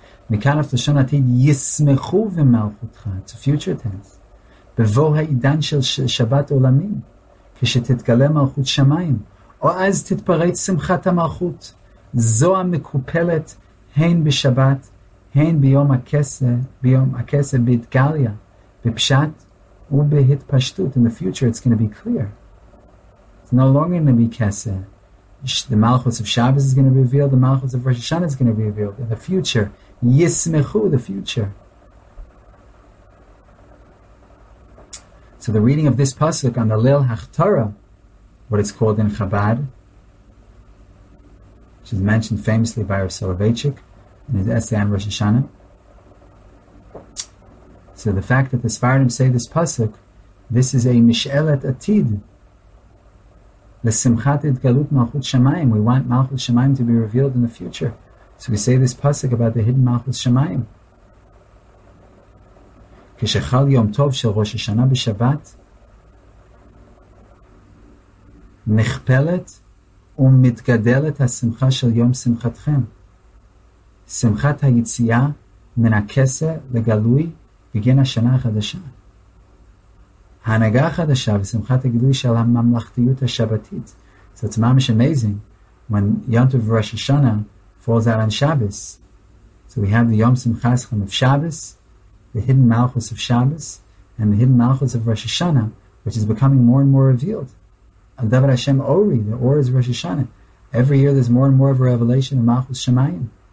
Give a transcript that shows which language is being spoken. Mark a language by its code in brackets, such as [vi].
[he] Mikan af lashon atid, yismchu v'malchutcha, [en] it's a future tense, [he] bevo ha-idan shel Shabbat olamim, כשתתגלה מלכות שמיים, או אז תתפרץ שמחת המלכות, זו המקופלת הן בשבת, הן ביום הכסף, בהתגליה, בפשט ובהתפשטות. [en] In the future it's going to be clear. It's no longer going to be כסף. The מלכות of Shabbos is going to be revealed, the מלכות of Rosh Hashanah is going to be revealed. In the future, ישמחו, the future. So the reading of this pasuk on the Lil Hachtara, what it's called in Chabad, which is mentioned famously by Rav Soloveitchik in his essay on Rosh Hashanah. So the fact that the Sfaradim say this pasuk, this is a [he] mishelet atid, l'simchat etgalut malchut shamayim. [en] We want malchut shamayim to be revealed in the future. So we say this pasuk about the hidden malchut shamayim. [he] כשחל יום טוב של ראש השנה בשבת, נכפלת ומתגדלת השמחה של יום שמחתכם. שמחת היציאה מן הכסה לגלוי בגין השנה החדשה. ההנהגה החדשה ושמחת הגילוי של הממלכתיות השבתית. [en] So it's ממש amazing when יום טוב ראש השנה falls out on Shabbos. So we have the [he] יום שמחה שלכם [en] of Shabbos, the hidden Malchus of Shabbos, and the hidden Malchus of Rosh Hashanah, which is becoming more and more revealed. [he] Al Davar Hashem Ori, [en] the Or is Rosh Hashanah. Every year there's more and more of a revelation of Malchus Shemayim.